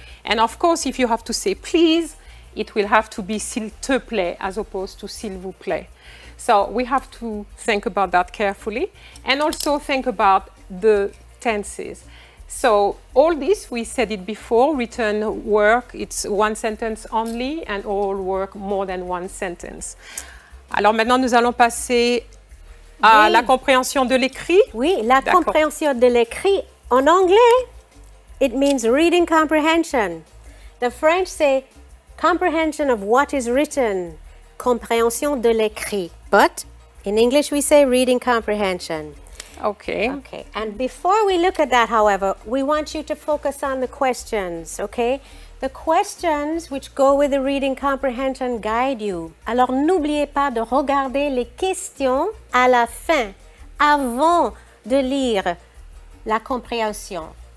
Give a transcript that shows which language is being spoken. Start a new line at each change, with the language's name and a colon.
English: And of course, if you have to say please, it will have to be s'il te plaît as opposed to s'il vous plaît. So we have to think about that carefully and also think about the tenses. So all this, we said it before, written work, it's one sentence only and all work more than one sentence.
French: Alors maintenant, nous allons passer à la compréhension de l'écrit. Oui, la compréhension de l'écrit en anglais,
English: it means reading comprehension. The French say comprehension of what is written, compréhension de l'écrit. But in English, we say reading comprehension. Okay. Okay. And before we look at that, however, we want you to focus on the questions, okay? The questions which go with the reading comprehension guide you.
French: Alors, n'oubliez pas de regarder les questions à la fin, avant de lire la compréhension.